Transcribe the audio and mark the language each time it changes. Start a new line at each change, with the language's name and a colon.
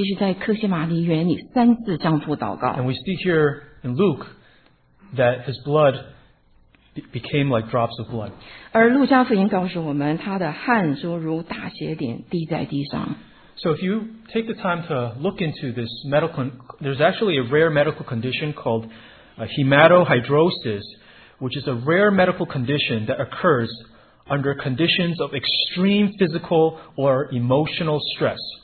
Chinese: 我们也看到主耶稣挣扎是如此的大，所以他必须在客西马尼园里三次向父祷告。
English: And we see here in Luke that his blood became like drops of blood.
Chinese: 而路加福音告诉我们，他的汗如大血点滴在地上。
English: So if you take the time to look into this medical, there's actually a rare medical condition called hematohidrosis, which is a rare medical condition that occurs under conditions of extreme physical or emotional stress.